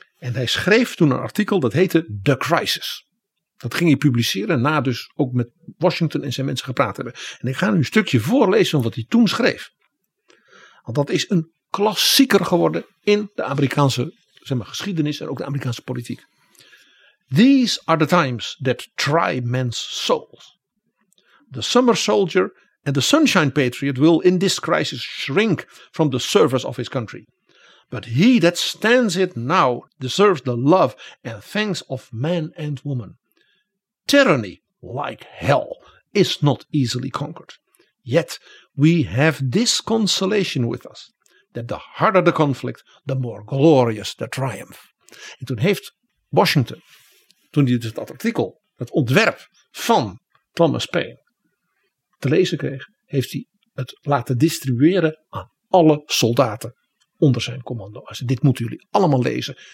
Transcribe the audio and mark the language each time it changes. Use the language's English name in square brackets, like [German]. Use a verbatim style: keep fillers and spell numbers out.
[Dutch] En hij schreef toen een artikel dat heette The Crisis. Dat ging hij publiceren na dus ook met Washington en zijn mensen gepraat hebben. En ik ga nu een stukje voorlezen van wat hij toen schreef. Want dat is een klassieker geworden in de Amerikaanse zeg maar, geschiedenis en ook de Amerikaanse politiek. [English] These are the times that try men's souls. The summer soldier and the sunshine patriot will in this crisis shrink from the service of his country. But he that stands it now deserves the love and thanks of man and woman. Tyranny, like hell, is not easily conquered. Yet we have this consolation with us, that the harder the conflict, the more glorious the triumph. [Dutch] En toen heeft Washington, toen hij dus dat artikel, het ontwerp van Thomas Paine te lezen kreeg, heeft hij het laten distribueren aan alle soldaten onder zijn commando. Dit moeten jullie allemaal lezen.